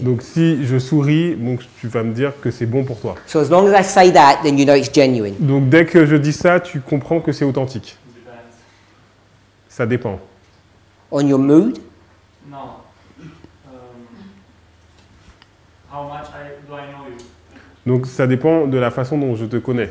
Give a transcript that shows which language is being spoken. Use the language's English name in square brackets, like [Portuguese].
[French] Donc si je souris, donc tu vas me dire que c'est bon pour toi. [English] So as long as I say that, then you know it's genuine. [French] Donc dès que je dis ça, tu comprends que c'est authentique. Ça dépend. [English] On your mood? No. How much do I know you? [French] Donc ça dépend de la façon dont je te connais.